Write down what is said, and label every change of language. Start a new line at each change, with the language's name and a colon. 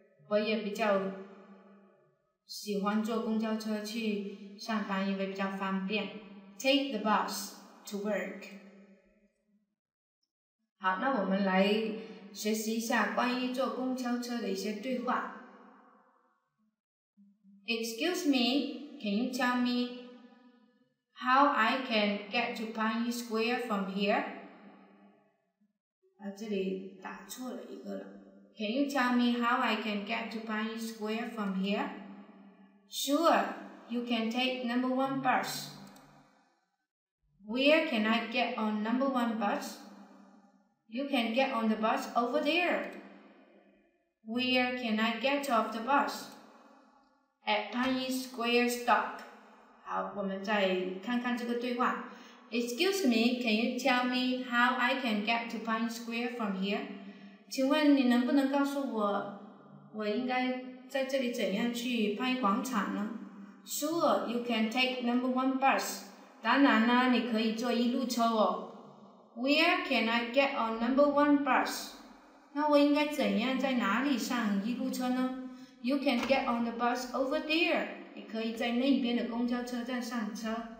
Chinese: 我也比较喜欢坐公交车去上班，因为比较方便。
English: Take the bus to work.
Chinese: 好，那我们来学习一下关于坐公交车的一些对话。
English: Excuse me, can you tell me how I can get to Pine Square from here?
Chinese: 这里打错了一个了。
English: Can you tell me how I can get to Pine Square from here? Sure, you can take number one bus. Where can I get on number one bus? You can get on the bus over there. Where can I get off the bus? At Pine Square stop.
Chinese: 好，我们再看看这个对话。
English: Excuse me, can you tell me how I can get to Pine Square from here?
Chinese: 请问你能不能告诉我，我应该在这里怎样去Pine广场呢？
English: Sure, you can take number one bus.
Chinese: 当然啦，你可以坐一路车哦。
English: Where can I get on number one bus?
Chinese: 那我应该怎样在哪里上一路车呢？
English: You can get on the bus over there.
Chinese: 你可以在那边的公交车站上车。